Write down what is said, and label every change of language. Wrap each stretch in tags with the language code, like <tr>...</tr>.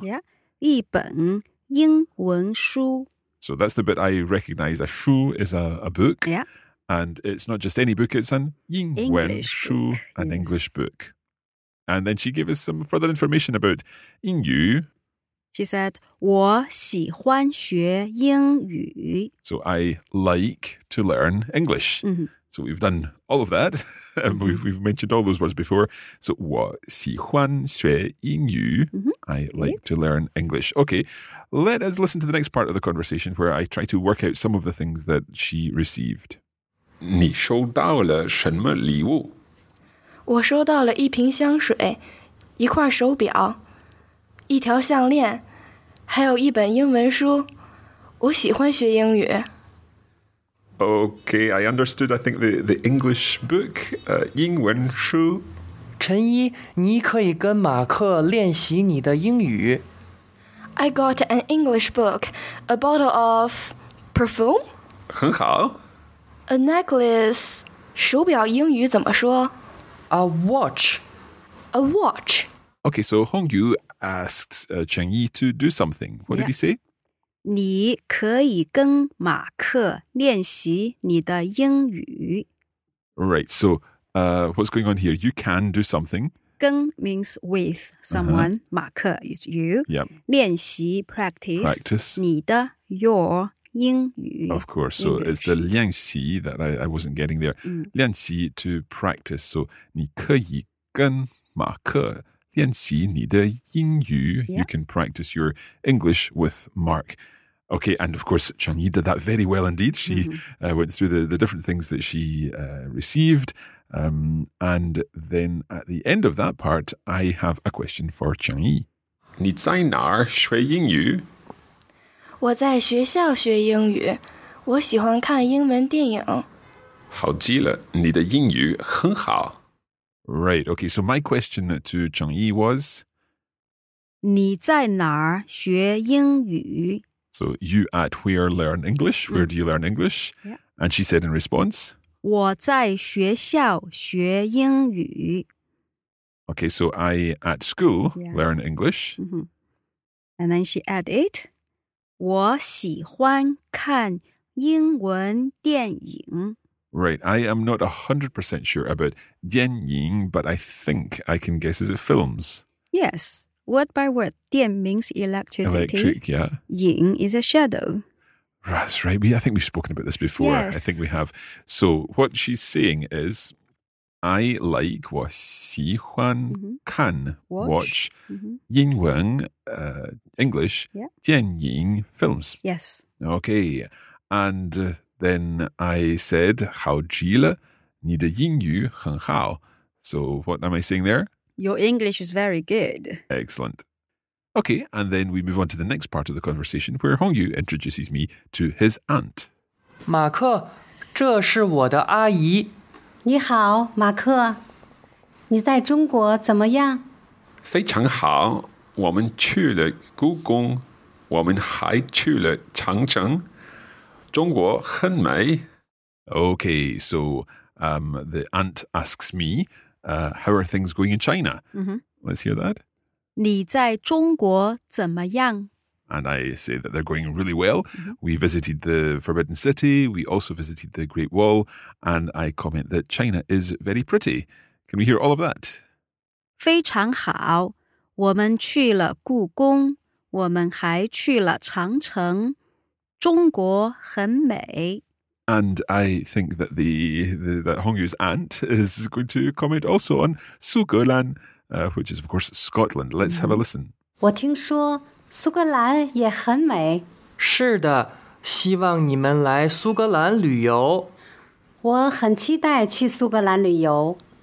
<en>Yeah.</en> <zh>一本英文书.</zh> <en>So that's the bit I recognize. A</en> <zh>书</zh> <en>is a book. Yeah. And it's not just any book, it's an</en> <zh>英文书,</zh> <en>an yes. English book. And then she gave us some further information about</en> <zh>英语.</zh> <en>She said,</en> <zh>我喜欢学英语.</zh> <en>So I like to learn English.、 Mm-hmm. So we've done all of that. we've mentioned all those words before. So</en> <zh>我喜欢学英语.</zh> <en>Mm-hmm. I like、mm-hmm. to learn English. Okay, let us listen to the next part of the conversation where I try to work out some of the things that she received.</en> <zh>你收到了什么礼物？我收到了一瓶香水，一块手表，一条项链，还有一本英文书。我喜欢学英语。</zh> <en>Okay, I understood. I think the English book,</en> <zh>英文书。陈一，你可以跟马克练习你的英语。</zh> <en>I got an English book, a bottle of perfume.</en> <zh>很好。</zh> <en>A necklace,</en> <zh>手表英语怎么说?</zh> <en>A watch. A watch. Okay, so Hong Yu asked Cheng Yi to do something. What、 yeah. did he say?</en> <zh>你可以跟马克练习你的英语。</zh> <en>Right, so、what's going on here? You can do something.</en> <zh>跟</zh> <en>means with someone,、uh-huh. 马克 is you. Yep.</en> <zh>练习</zh> <en>practice. Practice.</en> <zh>你的</zh> <en>your.</en> <zh>英语</zh> <en>Of course, so、 English. It's the</en> <zh>练习</zh> <en>that I wasn't getting there.、 Mm.</en> <zh>练习</zh> <en>to practice. So</en> <zh>你可以跟马克练习你的英语、</zh> <en>yeah. You can practice your English with Mark. Okay, and of course, Cheng Yi did that very well indeed. She、mm-hmm. Went through the different things that she received.、and then at the end of that part, I have a question for Cheng Yi.</en> <zh>你在哪儿学英语? 我在学校学英语，我喜欢看英文电影。好极了，你的英语很好。</zh> <en>Right, okay, so my question to Cheng Yi was...</en> <zh>你在哪儿学英语?</zh> <en>So you at where learn English? Where do you learn English?、 Yeah. And she said in response...</en> <zh>我在学校学英语。</zh> <en>Okay, so I at school、 yeah. learn English.、 Mm-hmm. And then she added...</en> <zh>我喜欢看英文电影。</zh> <en>Right, I am not 100% sure about</en> <zh>电影,</zh> <en>but I think I can guess is it films? Yes, word by word.</en> <zh>电</zh> <en>means electricity. Electric, yeah.</en> <zh>影</zh> <en>is a shadow. That's right. I think we've spoken about this before. Yes. I think we have. So what she's saying is, I like,</en> <zh>我喜欢看</zh> <en>watch</en> <zh>英文</zh> <en>English</en> <zh>电影</zh> <en>films. Yes. Okay. And then I said,</en> <zh>好极了，你的英语很好。</zh> <en>So what am I saying there? Your English is very good. Excellent. Okay, and then we move on to the next part of the conversation where Hong Yu introduces me to his aunt.</en> <zh>马克，这是我的阿姨。你好，马克。你在中国怎么样？非常好。我们去了故宫，我们还去了长城。中国很美。</zh> <en>Okay, so the aunt asks me, how are things going in China? Mm-hmm. Let's hear that.</en> <zh>你在中国怎么样?</zh> <en>And I say that they're going really well. Mm-hmm. We visited the Forbidden City. We also visited the Great Wall. And I comment that China is very pretty. Can we hear all of that?</en> <zh>非常好。我们去了故宫。我们还去了长城。中国很美。</zh> <en>And I think that that Hong Yu's aunt is going to comment also on 苏格兰, which is, of course, Scotland. Let's have a listen.</en> <zh>我听说苏格兰也很美。是的，希望你们来苏格兰旅游。我很期待去苏格兰旅游。</zh>